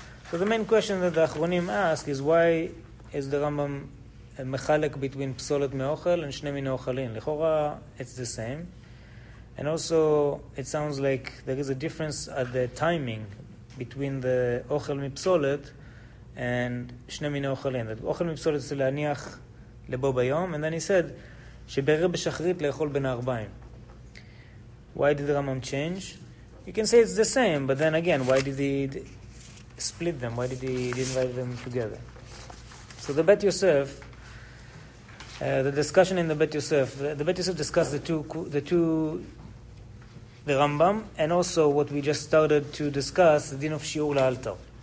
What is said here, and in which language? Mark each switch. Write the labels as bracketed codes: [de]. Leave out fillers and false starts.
[en] So the main question that the achronim ask is why is the Rambam מחלק between פסולת מאוכל and שני מיני אוכלים. לכאורה, it's the same. And also, it sounds like there is a difference at the timing between the אוכל מפסולת and שני מיני אוכלים. [he] That אוכל מפסולת זה להניח לבו ביום, [en] and then he said, [he] שברר בשחרית לאכול בין הארבעים. [en] Why did the Rambam change? You can say it's the same, but then again, why did he split them? Why did he divide them together? So the Bet Yosef, the discussion in the Bet Yosef, the Bet Yosef discussed the Rambam, and also what we just started to discuss, the din of shiur le'altar.